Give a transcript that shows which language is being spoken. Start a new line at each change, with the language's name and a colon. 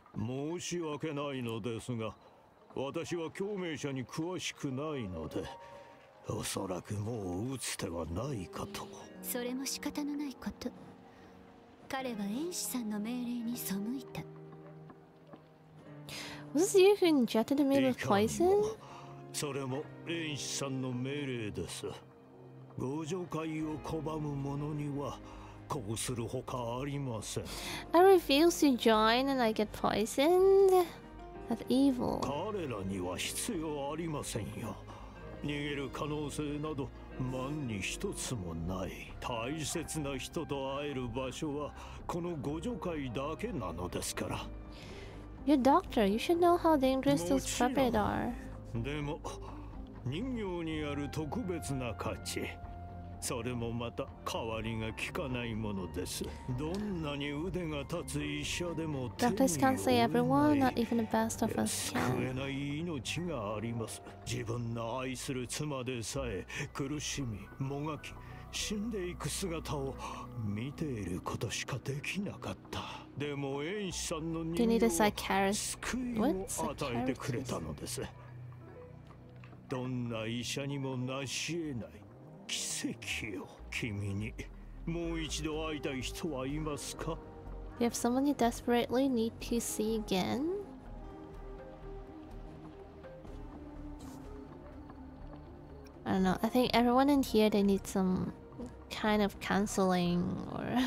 Japanese: 申し訳ないのですが、私は共鳴者に詳しくないので、おそらくもう打つ手はないかと。それも仕方のないこと。彼は遠視さんの命令に背いた。
English: Was this you who injected me with poison?
Japanese: それも遠視さんの命令です。ご助会を拒む者にはこうするほかありません。
English: I refuse to join and I get poisoned. That's evil.
Japanese: 彼らには必要ありませんよ。逃げる可能性など万に一つもない。大切な人と会える場所はこの互助会だけなのですから。
English: Your doctor, you should know how dangerous those puppet are.
Japanese: でも人形にある特別な価値、それもまた代わりが効かないものです。どんなに腕が立つ医者でも
English: Doctors can't save everyone, not even the best of us can.
Japanese: 救えない命があります。自分の愛する妻でさえ苦しみ、もがき、死んでいく姿を見ていることしかできなかった。でも遠視さんの人形は救いを与えてくれたのです。どんな医者にも成し得ない奇跡よ。君にもう一度会いたい人はいますか？
English: You have someone you desperately need to see again? I don't know. I think everyone in here, they need some kind of counseling or...